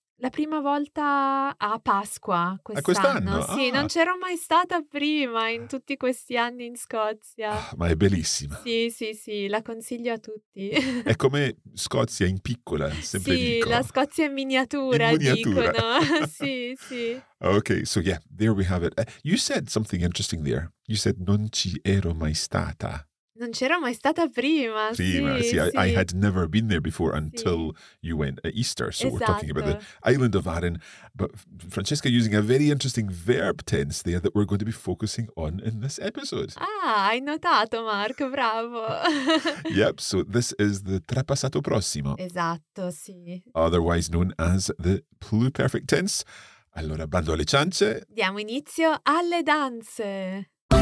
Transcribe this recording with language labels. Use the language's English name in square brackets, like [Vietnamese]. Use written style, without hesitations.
[Italian] la prima volta a Pasqua quest'anno. Sì, ah. Non c'ero mai stata prima in tutti questi anni in Scozia. Ah, ma è bellissima. Sì, sì, sì, la consiglio a tutti. È come Scozia in piccola, sempre sì, dico. Sì, la Scozia in miniatura. Dicono. Sì, sì. [English] Ok, so yeah, there we have it. You said something interesting there. You said [Italian] non ci ero mai stata. Non c'ero mai stata prima. Prima, sì, sì, sì. [English] I had never been there before until you went at Easter. So [Italian] esatto. [English] We're talking about the island of Arran. But Francesca using a very interesting verb tense there that we're going to be focusing on in this episode. [Italian] Ah, hai notato, Mark. Bravo. [English] Yep, so this is the trapassato prossimo. [Italian] Esatto, sì. [English] Otherwise known as the pluperfect tense. [Italian] Allora, bando alle ciance. Diamo inizio alle danze.